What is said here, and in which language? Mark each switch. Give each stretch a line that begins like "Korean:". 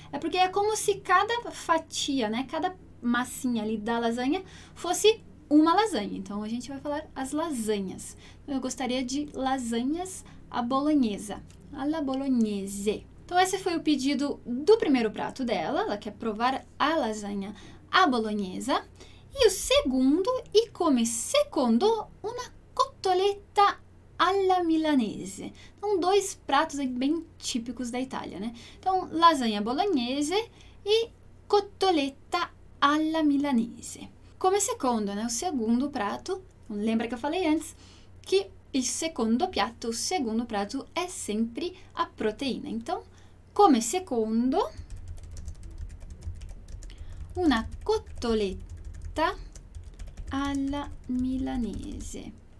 Portuguese: É porque é como se cada fatia, né? Cada massinha ali da lasanha fosse uma lasanha. Então, a gente vai falar as lasanhas. Eu gostaria de lasanhas à bolognese.
Italian: Alla bolognese.
Portuguese: Então, esse foi o pedido do primeiro prato dela. Ela quer provar a lasanha à bolognese. E o segundo,
Italian: e come secondo, una cotoletta alla milanese.
Portuguese: Então, dois pratos bem típicos da Itália, né? Então, lasanha bolognese e
Italian: cotoletta alla milanese.
Portuguese: Come secondo, né? O segundo prato, lembra que eu falei antes, que
Italian: il secondo piatto,
Portuguese: o segundo prato, é sempre a proteína.
Italian: Então, come secondo, una cotoletta alla milanese.